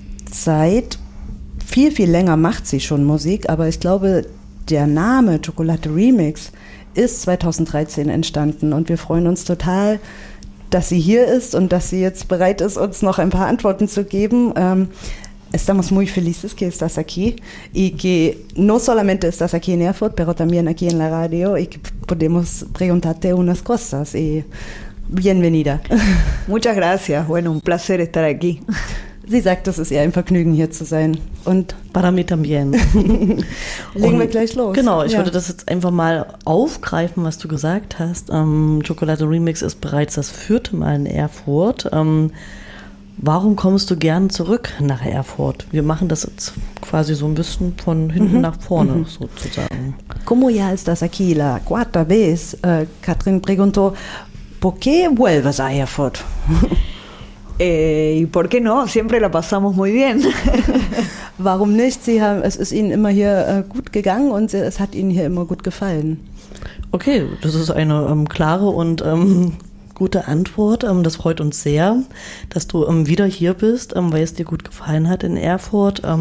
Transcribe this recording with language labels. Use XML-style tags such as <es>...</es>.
<de>Seit viel, viel länger macht sie schon Musik, aber ich glaube, der Name Chocolate Remix ist 2013 entstanden, und wir freuen uns total, dass sie hier ist und dass sie jetzt bereit ist, uns noch ein paar Antworten zu geben.</de> <es>Estamos muy felices que estás aquí y que no solamente estás aquí en Erfurt, pero también aquí en la radio y que podemos preguntarte unas cosas. Y bienvenida. Muchas gracias. Bueno, un placer estar aquí.</es> <de>Sie sagt, es ist ihr ein Vergnügen, hier zu sein. Und</de> <es>para mí también.</es> <de>Legen wir gleich los. Genau, ich würde das jetzt einfach mal aufgreifen, was du gesagt hast. Chocolate Remix ist bereits das vierte Mal in Erfurt. Warum kommst du gern zurück nach Erfurt? Wir machen das jetzt quasi so ein bisschen von hinten nach vorne sozusagen.</de> <es>Como ya estás aquí la cuarta vez, Katrin preguntó, ¿por qué vuelves a Erfurt? Y por qué no, siempre la pasamos muy bien.</es> <de>Warum nicht? Sie haben, es ist Ihnen immer hier gut gegangen und es hat Ihnen hier immer gut gefallen. Okay, das ist eine klare und gute Antwort. Das freut uns sehr, dass du wieder hier bist, weil es dir gut gefallen hat in Erfurt.</de>